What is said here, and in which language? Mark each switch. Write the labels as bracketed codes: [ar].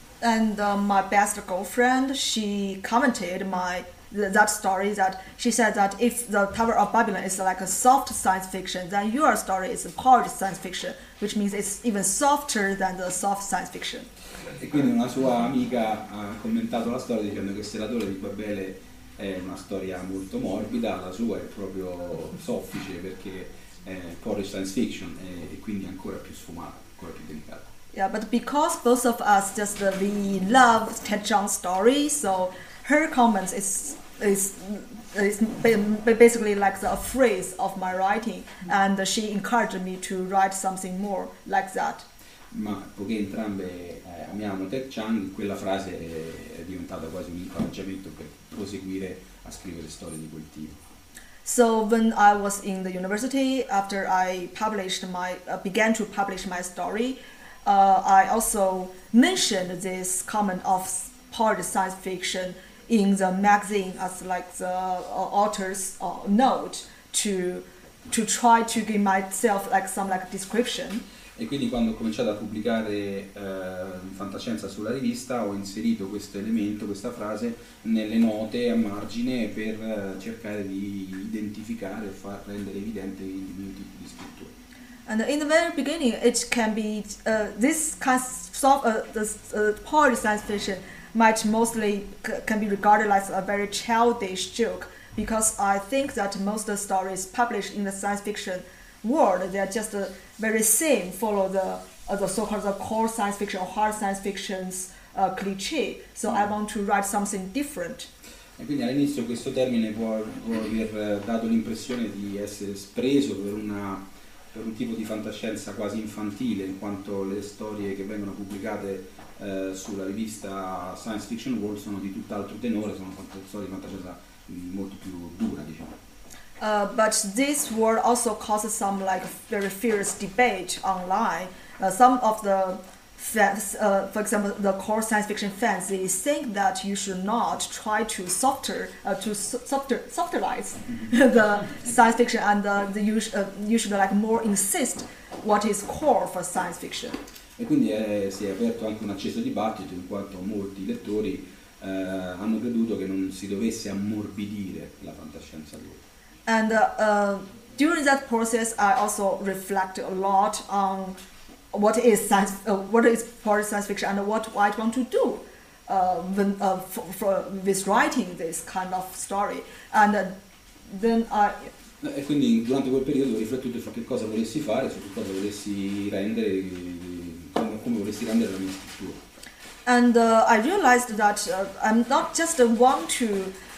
[en] And my best girlfriend, she commented my that story that she said that if the Tower of Babylon is like a soft science fiction, then your story is a hard science fiction, which means it's even softer than the soft science fiction. [it] E quindi una sua amica ha commentato la storia dicendo che se la Torre di Babele è una storia molto morbida, la sua è proprio soffice perché è porridge science fiction e quindi ancora più sfumata, ancora più delicata. [en] Yeah, but because both of us just we love Ted Chiang's story, so her comments is basically like a phrase of my writing, and she encouraged me to write something more like that. [it] Ma poiché entrambe amiamo Ted Chiang, quella frase è diventata quasi un incoraggiamento per proseguire a scrivere storie di quel tipo. [en] So when I was in the university, after I published my began to publish my story, I also mentioned this comment of part science fiction in the magazine as like the author's note to try to give myself like some like description. [it] E quindi quando ho cominciato a pubblicare fantascienza sulla rivista ho inserito questo elemento, questa frase, nelle note a margine per cercare di identificare e far rendere evidente il mio tipo di scrittura. [en] And in the very beginning, it can be this kind of part science fiction might mostly can be regarded as a very childish joke, because I think that most of the stories published in the science fiction world, they are just very same, follow the so-called the core science fiction or hard science fiction's cliché. So I want to write something different. [it] E quindi all'inizio questo termine può aver dato l'impressione di essere preso per un tipo di fantascienza quasi infantile, in quanto le storie che vengono pubblicate sulla rivista Science Fiction World sono di tutt'altro tenore, sono storie di fantascienza molto più dura, diciamo. [en] But this word also causes some like very fierce debate online. Some of the fans, for example, the core science fiction fans, they think that you should not try to softer, to softer, softerize the science fiction, and you should like more insist what is core for science fiction. [it] E quindi si è aperto anche un acceso dibattito in quanto molti lettori hanno creduto che non si dovesse ammorbidire la fantascienza dura. [en] And during that process, I also reflect a lot on what is part science fiction and what I want to do when, for with writing this kind of story. And then [it] E quindi durante quel periodo ho riflettuto su che cosa volessi fare, su che cosa volessi rendere, come volessi rendere la mia scrittura. [en] I realized that I'm not just want to